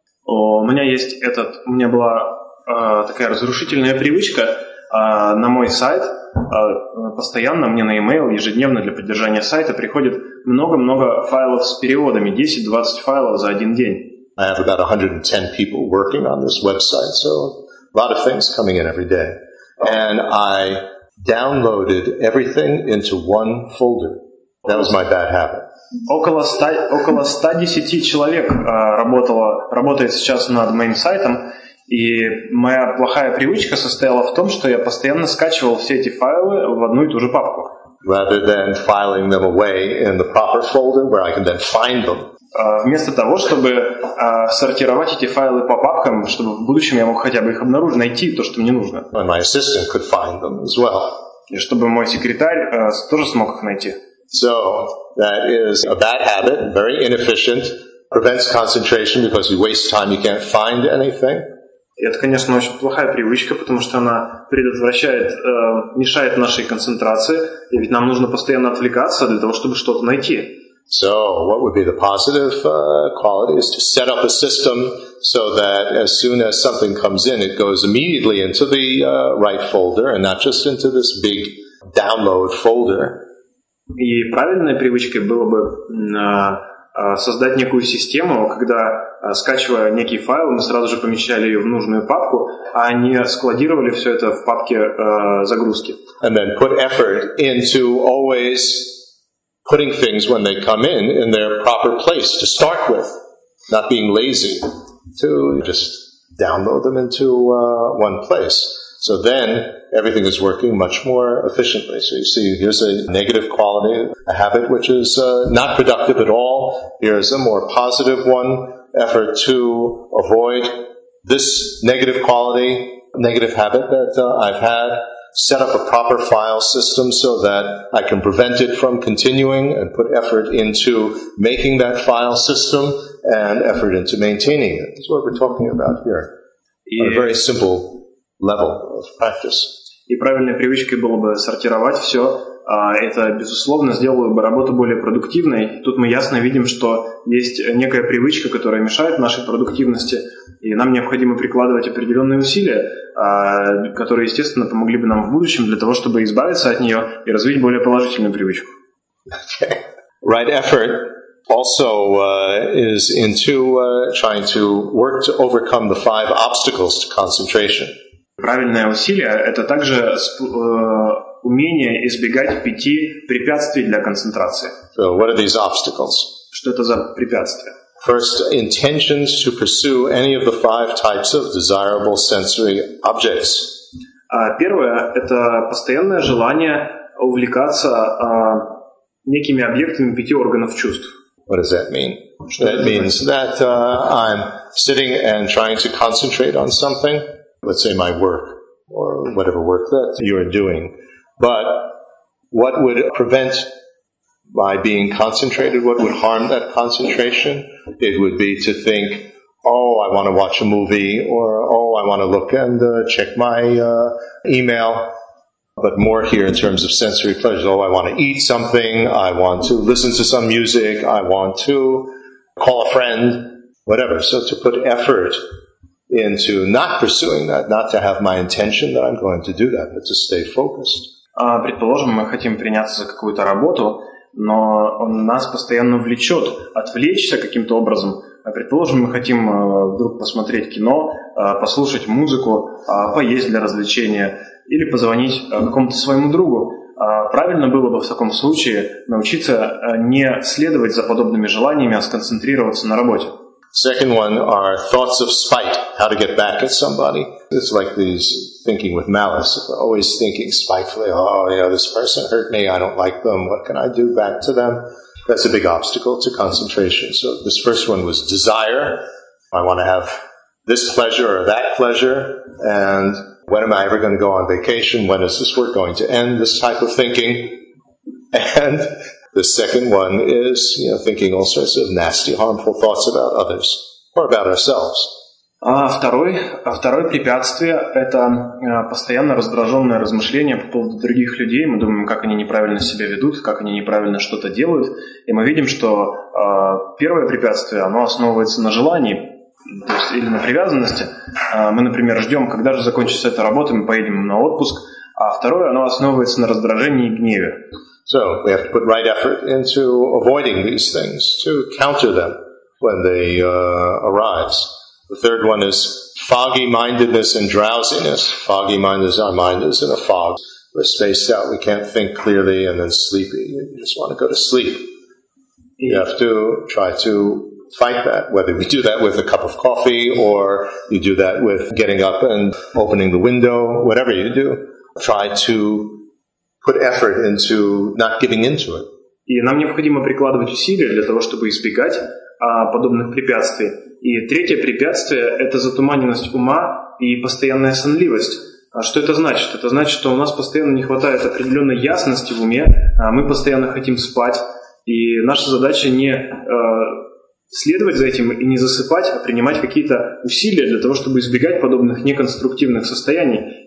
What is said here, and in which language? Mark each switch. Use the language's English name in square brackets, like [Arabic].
[Russian] У меня есть этот, у меня была такая разрушительная привычка на мой сайт. Постоянно мне на e-mail ежедневно для поддержания сайта приходит много-много файлов с переводами, 10-20 файлов за один день. [English] I have about 110 people working on this website, so a lot of things coming in every day. And I downloaded everything into one folder. That was my bad habit. [Russian] Около 110 человек работает сейчас над моим сайтом, и моя плохая привычка состояла в том, что я постоянно скачивал все эти файлы в одну и ту же папку. [English] Rather than filing them away in the proper folder where I can then find them. [Russian] Вместо того, чтобы сортировать эти файлы по папкам, чтобы в будущем я мог хотя бы их обнаружить, найти то, что мне нужно. [English] And my assistant could find them as well. [Russian] И чтобы мой секретарь тоже смог их найти. [English] So that is a bad habit, very inefficient, prevents concentration because you waste time, you can't find anything. [Russian] И это, конечно, очень плохая привычка, потому что она предотвращает, мешает нашей концентрации, и ведь нам нужно постоянно отвлекаться для того, чтобы что-то найти. [English] So, what would be the positive quality is to set up a system so that as soon as something comes in, it goes immediately into the right folder and not just into this big download folder. [Russian] И правильной привычкой было бы создать некую систему, когда, скачивая некий файл, мы сразу же помещали ее в нужную папку, а не складировали все это в папке загрузки. [English] And then put effort into always putting things when they come in their proper place to start with, not being lazy, to just download them into one place. So then everything is working much more efficiently. So you see, here's a negative quality, a habit which is not productive at all. Here's a more positive one, effort to avoid this negative quality, negative habit that I've had. Set up a proper file system so that I can prevent it from continuing and put effort into making that file system and effort into maintaining it. That's what we're talking about here. Yeah. On a very simple level of practice. [Russian] И правильной привычкой было бы сортировать все. Это, безусловно, сделало бы работу более продуктивной. Тут мы ясно видим, что есть некая привычка, которая мешает нашей продуктивности, и нам необходимо прикладывать определенные усилия, которые, естественно, помогли бы нам в будущем для того, чтобы избавиться от нее и развить более положительную привычку. [English] Okay. Right effort also is into trying to work to overcome the five obstacles to concentration. [Russian] Правильное усилие – это также умение избегать пяти препятствий для концентрации. [English] So what are these obstacles? [Russian] Что это за препятствия? [English] First, intentions to pursue any of the five types of desirable sensory objects. [Russian] Первое – это постоянное желание увлекаться некими объектами пяти органов чувств. [English] What does that mean? That means that I'm sitting and trying to concentrate on something. Let's say my work, or whatever work that you're doing. But what would prevent my being concentrated? What would harm that concentration? It would be to think, oh, I want to watch a movie, or oh, I want to look and check my email. But more here in terms of sensory pleasures. Oh, I want to eat something, I want to listen to some music, I want to call a friend, whatever. So to put effort into not pursuing that, not to have my intention that I'm going to do that, but to stay focused. [Russian] Предположим, мы хотим приняться за какую-то работу, но он нас постоянно влечет отвлечься каким-то образом. Предположим, мы хотим вдруг посмотреть кино, послушать музыку, поесть для развлечения или позвонить какому-то своему другу. Правильно было бы в таком случае научиться не следовать за подобными желаниями, а сконцентрироваться на работе. [English] Second one are thoughts of spite, how to get back at somebody. It's like these thinking with malice. We're always thinking spitefully, oh, you know, this person hurt me, I don't like them, what can I do back to them? That's a big obstacle to concentration. So this first one was desire. I want to have this pleasure or that pleasure. And when am I ever going to go on vacation? When is this work going to end? This type of thinking. And the second one is, you know, thinking all sorts of nasty, harmful thoughts about others or about ourselves. [Russian] Второе препятствие – это постоянно раздраженное размышление по поводу других людей. Мы думаем, как они неправильно себя ведут, как они неправильно что-то делают. И мы видим, что первое препятствие, оно основывается на желании, то есть, или на привязанности. Мы, например, ждем, когда же закончится эта работа, мы поедем на отпуск. А второе, оно основывается на раздражении и гневе. [English] So we have to put right effort into avoiding these things, to counter them when they arise. The third one is foggy-mindedness and drowsiness. Foggy-mindedness, our mind is in a fog. We're spaced out, we can't think clearly, and then sleepy. You just want to go to sleep. You have to try to fight that, whether we do that with a cup of coffee, or you do that with getting up and opening the window, whatever you do, try to put effort into not giving into it. [Russian] И нам необходимо прикладывать усилия для того, чтобы избегать подобных препятствий. И третье препятствие – это затуманенность ума и постоянная сонливость. А что это значит? Это значит, что у нас постоянно не хватает определенной ясности в уме, а мы постоянно хотим спать, и наша задача не следовать за этим и не засыпать, а принимать какие-то усилия для того, чтобы избегать подобных неконструктивных состояний.